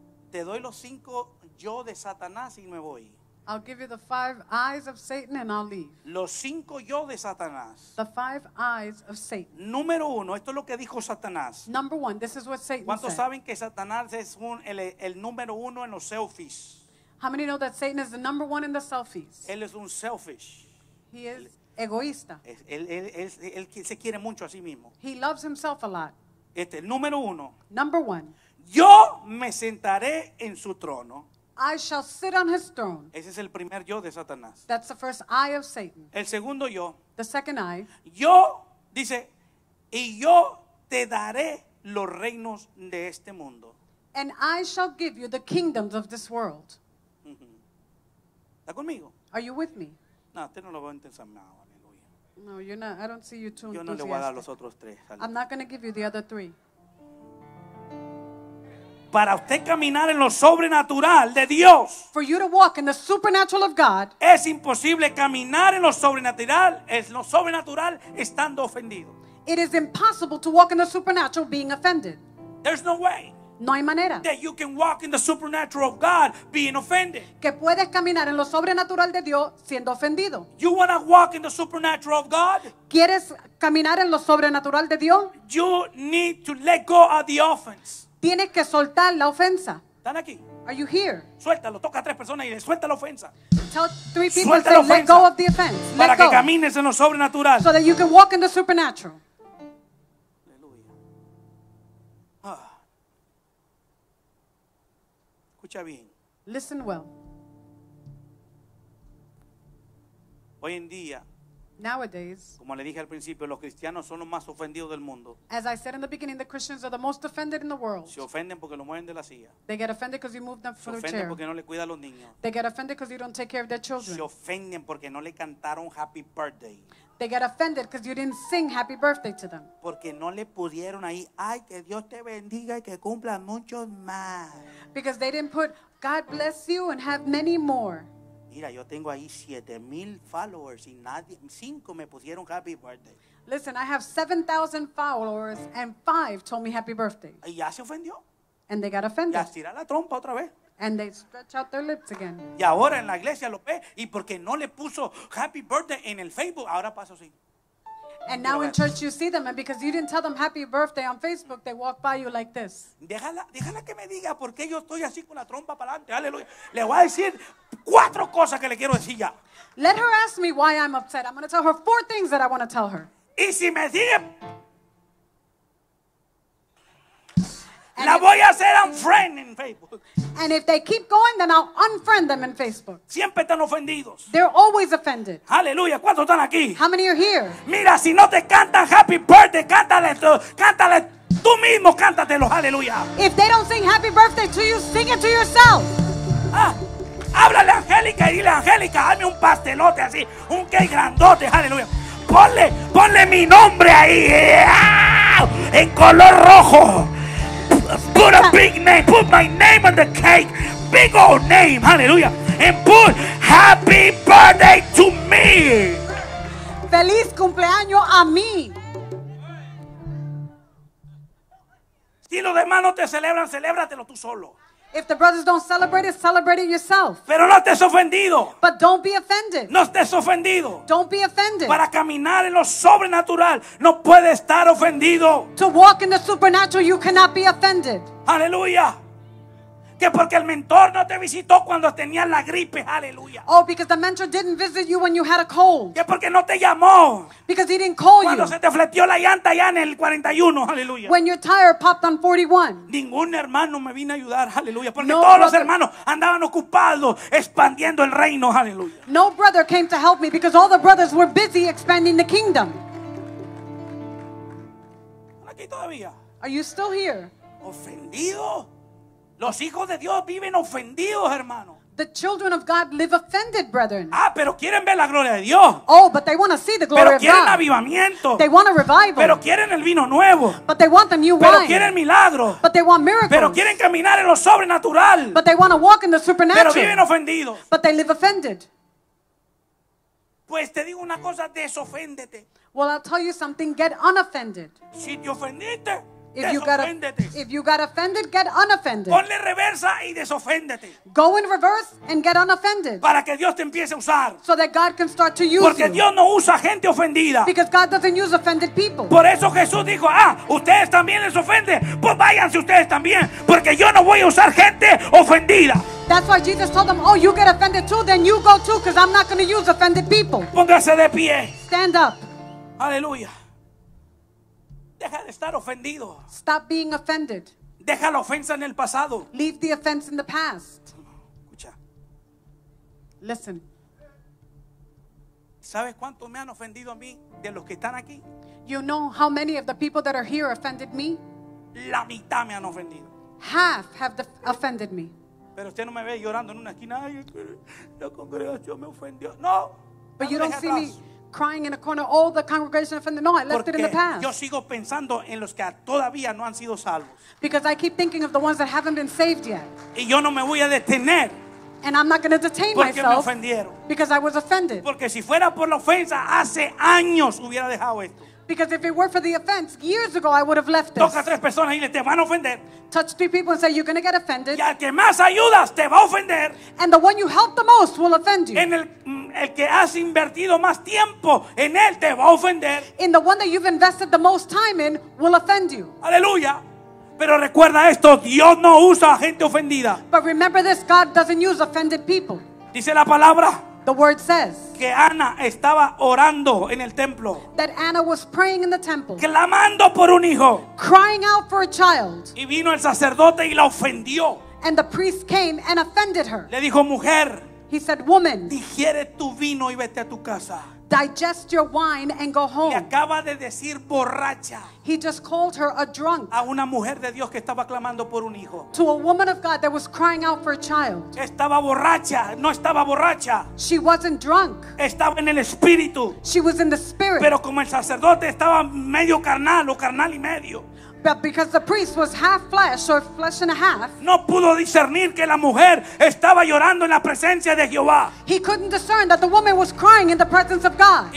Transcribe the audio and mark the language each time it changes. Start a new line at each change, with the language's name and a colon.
Spanish: Te doy los 5 yo de Satanás y me voy.
English: I'll give you the 5 eyes of Satan and I'll leave.
Spanish: Los 5 yo de Satanás.
English: The 5 eyes of Satan.
Spanish: Número 1, esto es lo que dijo Satanás.
English: Number 1, this is what Satan said.
Spanish: ¿Cuántos saben que Satanás es el número 1 en los selfies?
English: How many know that Satan is the number 1 in the selfies?
Spanish: Él es un selfish.
English: He is egoísta.
Spanish: Él se quiere mucho a sí mismo.
English: He loves himself a lot.
Spanish: El número 1.
English: Number 1.
Spanish: Yo me sentaré en su trono.
English: I shall sit on his throne.
Spanish: Ese es el primer yo de Satanás.
English: That's the first eye of Satan.
Spanish: El segundo yo.
English: The second eye.
Spanish: Yo, dice, y yo te daré los reinos de este mundo.
English: And I shall give you the kingdoms of this world. Mm-hmm.
Spanish: ¿Está conmigo?
English: Are you with me?
Spanish: No, usted no lo va a entender. No, aleluya.
English: No, you're not. I don't see you too enthusiastic.
Spanish: Yo no le voy a dar los otros 3.
English: I'm not going to give you the other 3.
Spanish: Para usted caminar en lo sobrenatural de Dios.
English: For you to walk in the supernatural of God.
Spanish: Es imposible caminar en lo sobrenatural. Es lo sobrenatural estando ofendido.
English: It is impossible to walk in the supernatural being offended. There's no way.
Spanish: No hay manera.
English: That you can walk in the supernatural of God being offended.
Spanish: Que puedes caminar en lo sobrenatural de Dios siendo ofendido.
English: You want to walk in the supernatural of God?
Spanish: ¿Quieres caminar en lo sobrenatural de Dios?
English: You need to let go of the offense.
Spanish: Tienes que soltar la ofensa. ¿Están aquí?
English: Are you here?
Spanish: Suéltalo, toca a 3 personas y le suelta la ofensa.
English: Tell 3 people, say, let go of the offense. Let
Spanish: para
English: go.
Spanish: Que camines en lo sobrenatural.
English: So that you can walk in the supernatural.
Spanish: Aleluya. Ah. Escucha bien.
English: Listen well.
Spanish: Hoy en día.
English: Nowadays,
Spanish: como le dije al principio, los cristianos son los más ofendidos del mundo.
English: As I said in the beginning, the Christians are the most offended in the world.
Spanish: Se ofenden porque lo mueven de la silla.
English: They get offended because you move them from their chair.
Spanish: Se ofenden porque no le cuidan los niños.
English: They get offended because you don't take care of their children.
Spanish: Se ofenden porque no le cantaron happy birthday.
English: They get offended because you didn't sing happy birthday to them.
Spanish: Porque no le pudieron ahí, ay, que Dios te bendiga y que cumpla muchos más.
English: Because they didn't put God bless you and have many more.
Spanish: Mira, yo tengo ahí 7,000 followers y nadie, 5 me pusieron happy birthday.
English: Listen, I have 7,000 followers and 5 told me happy birthday.
Spanish: Y ya se ofendió.
English: And they got offended.
Spanish: Ya estira la trompa otra vez.
English: And they stretch out their lips again.
Spanish: Y ahora en la iglesia lo ve y porque no le puso happy birthday en el Facebook, ahora pasa así.
English: And now in church you see them and because you didn't tell them happy birthday on Facebook, they walk by you like this.
Spanish: Déjala que me diga por qué yo estoy así con la trompa para adelante. Aleluya. Le voy a decir 4 cosas que le quiero decir ya.
English: Let her ask me why I'm upset. I'm going to tell her 4 things that I want to tell her.
Spanish: Y si me sigue, la voy a hacer unfriend en Facebook.
English: And if they keep going, then I'll unfriend them in Facebook.
Spanish: Siempre están ofendidos.
English: They're always offended.
Spanish: Aleluya, ¿cuántos están aquí?
English: How many are here?
Spanish: Mira, si no te cantan happy birthday, cántale tú mismo, cántatelo, aleluya.
English: If they don't sing happy birthday to you, sing it to yourself.
Spanish: Ah, háblale a Angélica y dile, Angélica, dame un pastelote así, un cake grandote, aleluya. Ponle mi nombre ahí, en color rojo.
English: Put a big name, put my name on the cake, big old name, hallelujah, and put happy birthday to me.
Spanish: Feliz cumpleaños. cumpleaños a mí. Si los demás no te celebran, celébratelo tú solo.
English: If the brothers don't celebrate it, celebrate it yourself.
Spanish: Pero no estés ofendido.
English: But don't be offended.
Spanish: No estés ofendido.
English: Don't be offended.
Spanish: Para caminar en lo sobrenatural, no puedes estar ofendido.
English: To walk in the supernatural, you cannot be offended.
Spanish: Aleluya. Que porque el mentor no te visitó cuando tenías la gripe, aleluya.
English: Oh, because the mentor didn't visit you when you had a cold.
Spanish: Que porque no te llamó.
English: Because he didn't call
Spanish: cuando
English: you.
Spanish: Cuando se te fleteó la llanta allá en el 41, aleluya.
English: When your tire popped on 41.
Spanish: Ningún hermano me vino a ayudar, aleluya. Porque no, todos brother, los hermanos andaban ocupados expandiendo el reino, aleluya.
English: No brother came to help me because all the brothers were busy expanding the kingdom.
Spanish: ¿Aquí todavía?
English: Are you still here?
Spanish: ¿Ofendido? Los hijos de Dios viven ofendidos, hermano.
English: The children of God live offended, brethren.
Spanish: Ah, pero quieren ver la gloria de Dios.
English: Oh, but they want to see the glory of God.
Spanish: Pero quieren avivamiento.
English: They want a revival.
Spanish: Pero quieren el vino nuevo.
English: But they want the new
Spanish: pero
English: wine.
Spanish: Pero quieren milagros.
English: But they want miracles.
Spanish: Pero quieren caminar en lo sobrenatural.
English: But they want to walk in the supernatural.
Spanish: Pero viven ofendidos.
English: But they live offended.
Spanish: Pues te digo una cosa, desoféndete.
English: Well, I'll tell you something, get unoffended.
Spanish: Si te ofendiste,
English: If you got offended, get unoffended.
Spanish: Ponle reversa y desoféndete.
English: Go in reverse and get unoffended.
Spanish: Para que Dios te empiece a usar.
English: So that God can start to use you.
Spanish: Porque Dios no usa gente ofendida.
English: Because God doesn't use offended people.
Spanish: Por eso Jesús dijo, ah, ustedes también les ofende. Pues váyanse ustedes también, porque yo no voy a usar gente ofendida.
English: That's why Jesus told them, oh, you get offended too, then you go too, because I'm not going to use offended people.
Spanish: Póngase de pie.
English: Stand up.
Spanish: Aleluya. Deja de estar ofendido.
English: Stop being offended.
Spanish: Deja la ofensa en el pasado.
English: Leave the offense in the past.
Spanish: Escucha.
English: Listen.
Spanish: ¿Sabes cuánto me han ofendido a mí de los que están aquí?
English: You know how many of the people that are here offended me?
Spanish: La mitad me han ofendido.
English: Half have offended me.
Spanish: Pero usted no me ve llorando en una esquina. Ay, la congregación me ofendió. No.
English: But you don't see me crying in a corner, all the congregation offended. No, I left
Spanish: porque
English: it in the past.
Spanish: Yo sigo pensando en los que todavía no han sido salvos.
English: Because I keep thinking of the ones that haven't been saved yet.
Spanish: Y yo no me voy a detener.
English: And I'm not going to detain
Spanish: porque
English: myself.
Spanish: Me ofendieron.
English: Because I was offended.
Spanish: Porque si fuera por la ofensa, hace años hubiera dejado esto.
English: Because if it were for the offense, years ago I would have left this.
Spanish: Toca a tres personas y te van a ofender.
English: Touch three people and say, you're going to get offended.
Spanish: Y al que más ayudas, te va a ofender.
English: And the one you help the most will offend you.
Spanish: En el que has invertido más tiempo en él, te va a ofender.
English: In the one that you've invested the most time in will offend you.
Spanish: Aleluya. Pero recuerda esto, Dios no usa a gente ofendida.
English: But remember this, God doesn't use offended people.
Spanish: Dice la palabra.
English: The word says
Spanish: que Ana estaba orando en el templo,
English: that Anna was praying in the temple,
Spanish: clamando por un hijo,
English: crying out for a child.
Spanish: Y vino el sacerdote y la ofendió.
English: And the priest came and offended her.
Spanish: Le dijo, mujer,
English: he said, woman,
Spanish: digiere tu vino y vete a tu casa.
English: Digest your wine and go home.
Spanish: Le acaba de decir borracha.
English: He just called her a drunk.
Spanish: A una mujer de Dios que estaba clamando por un hijo.
English: To a woman of God that was crying out for a child.
Spanish: Estaba borracha, no estaba borracha.
English: She wasn't drunk.
Spanish: Estaba en el espíritu.
English: She was in the spirit.
Spanish: Pero como el sacerdote estaba medio carnal o carnal y medio.
English: But because the priest was half flesh or flesh and a half,
Spanish: no pudo discernir que la mujer estaba llorando en la presencia de Jehová.
English: He couldn't discern that the woman was crying in the presence of God.